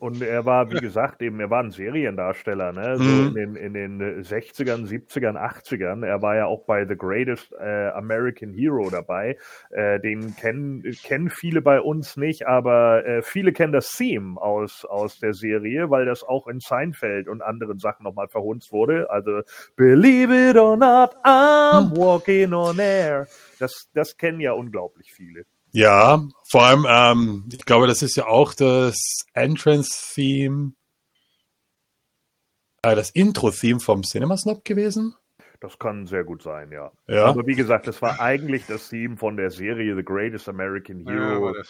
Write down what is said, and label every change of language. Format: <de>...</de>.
<de>Und er war, wie gesagt, er war ein Seriendarsteller, ne? So in den 60ern, 70ern, 80ern. Er war ja auch bei The Greatest American Hero dabei. Den kennen viele bei uns nicht, aber viele kennen das Theme aus der Serie, weil das auch in Seinfeld und anderen Sachen nochmal verhunzt wurde.</de> <en>Also, believe it or not, I'm walking on air.</en> <de>Das kennen ja unglaublich viele. Ja, vor allem, ich glaube, das ist ja auch das Entrance-Theme, das Intro-Theme vom Cinema-Snob gewesen. Das kann sehr gut sein, ja. Ja. Aber wie gesagt, das war eigentlich das Theme von der Serie The Greatest American Hero.</de>